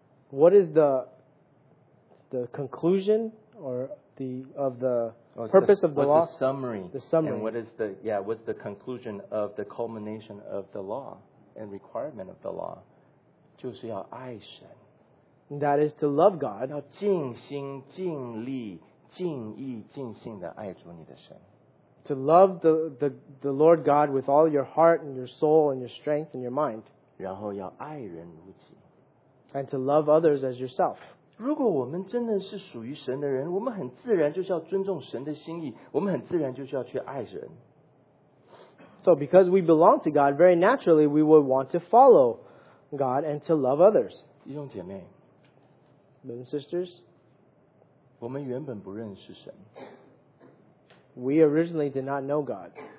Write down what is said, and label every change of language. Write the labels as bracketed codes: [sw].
[en] What is the conclusion or the purpose of the law? What's the summary? The summary. And what's the conclusion of the culmination of the law and requirement of the law? [zh] 就是要爱神. [en] That is to love God. [zh] 要尽心尽力 尽意尽性的爱主你的神, [en] to love the Lord God with all your heart and your soul and your strength and your mind, [zh] 然后要爱人如己, [en] and to love others as yourself. [zh] 如果我们真的是属于神的人, 我们很自然就是要尊重神的心意, 我们很自然就是要去爱人。 [en] So because we belong to God, very naturally we would want to follow God and to love others. [zh] 弟兄姐妹, [en] brothers and sisters, [zh] 我们原本不认识神, [en] we originally did not know God.